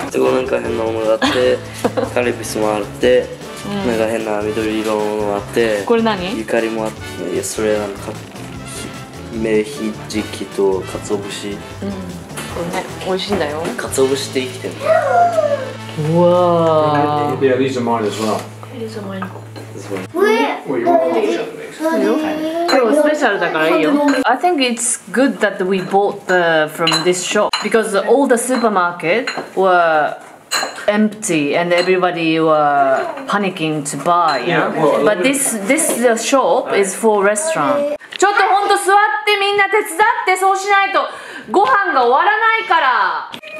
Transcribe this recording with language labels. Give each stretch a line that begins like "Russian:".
Japanese: すごいなんか変なものがあってカルピスもあって、うん、なんか変な緑色のものもあってこれ何ゆかりもあっていやそれなんかメヒジキとカツオ節、うん、これね、美味しいんだよカツオ節って生きてるうわ
English: ー Yeah, these are mine as well I think it's good that we bought the from this shop because all the supermarket were empty and everybody were panicking to buy. You know? But this shop is for restaurant.
Japanese: ちょっと本当座ってみんな手伝ってそうしないとご飯が終わらないから。